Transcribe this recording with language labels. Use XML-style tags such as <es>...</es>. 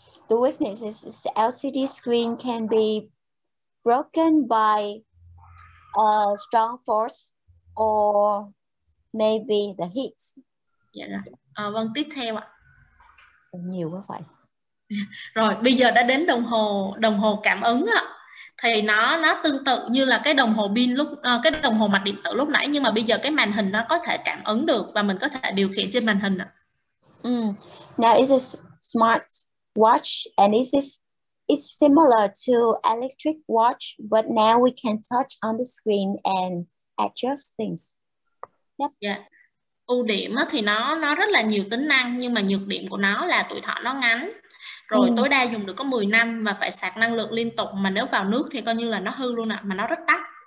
<en>The weakness is LCD screen can be broken by a strong force or maybe the heat.</en> <vi>Dạ rồi. Vâng, tiếp theo ạ. Nhiều quá phải. Rồi, bây giờ đã đến đồng hồ cảm ứng ạ. Thì nó tương tự như là cái đồng hồ pin lúc cái đồng hồ mạch điện tử lúc nãy, nhưng mà bây giờ cái màn hình nó có thể cảm ứng được và mình có thể điều khiển trên màn hình ạ. Mm.</vi> <en>Now it's a smart watch and it's similar to electric watch, but now we can touch on the screen and adjust things. Yep. Yeah.</en> <vi>Ưu điểm thì nó rất là nhiều tính năng, nhưng mà nhược điểm của nó là tuổi thọ nó ngắn. Rồi tối đa dùng được có 10 năm và phải sạc năng lượng liên tục, mà nếu vào nước thì coi như là nó hư luôn ạ, mà nó rất tắt.</vi>